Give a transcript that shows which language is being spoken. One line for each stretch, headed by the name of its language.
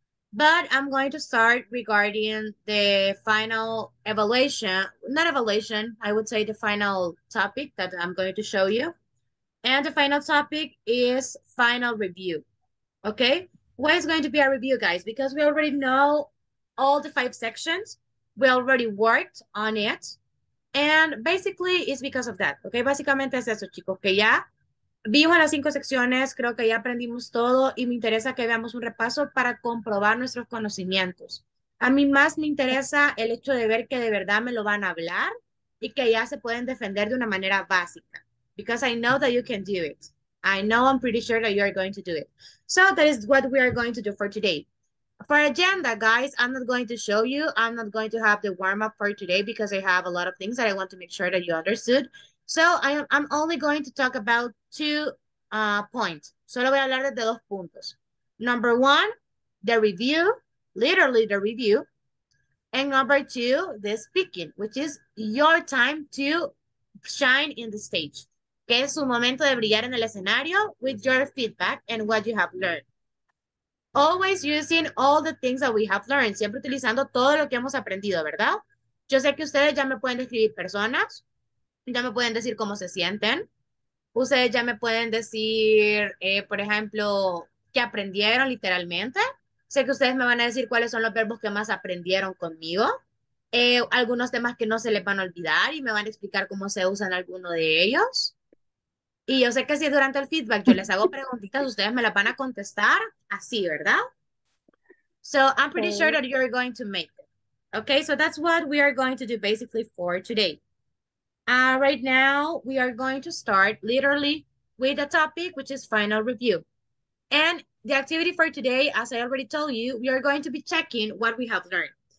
English: But I'm going to start regarding the final evaluation, not evaluation, I would say the final topic that I'm going to show you. And the final topic is final review, okay? Why is going to be a review, guys? Because we already know all the five sections. We already worked on it. And basically, it's because of that, okay?
Spanish: Básicamente es eso, chicos, que ya vimos las cinco secciones, creo que ya aprendimos todo, y me interesa que veamos un repaso para comprobar nuestros conocimientos. A mí más me interesa el hecho de ver que de verdad me lo van a hablar y que ya se pueden defender de una manera básica.
English: Because I know that you can do it. I know I'm pretty sure that you are going to do it. So that is what we are going to do for today. For agenda, guys, I'm not going to show you. I'm not going to have the warm-up for today because I have a lot of things that I want to make sure that you understood. So I'm only going to talk about two points.
Spanish: Solo voy a hablar de dos puntos.
English: Number one, the review, literally the review. And number two, the speaking, which is your time to shine in the stage.
Spanish: Que es su momento de brillar en el escenario
English: with your feedback and what you have learned. Always using all the things that we have learned.
Spanish: Siempre utilizando todo lo que hemos aprendido, ¿verdad? Yo sé que ustedes ya me pueden describir personas. Ya me pueden decir cómo se sienten. Ustedes ya me pueden decir, por ejemplo, qué aprendieron literalmente. Sé que ustedes me van a decir cuáles son los verbos que más aprendieron conmigo. Algunos temas que no se les van a olvidar y me van a explicar cómo se usan alguno de ellos. Y yo sé que si durante el feedback yo les hago preguntitas, ustedes me las van a contestar así, ¿verdad?
English: So I'm pretty sure that you're going to make it. Okay, so that's what we are going to do basically for today. Right now, we are going to start literally with the topic, which is final review. And the activity for today, as I already told you, we are going to be checking what we have learned.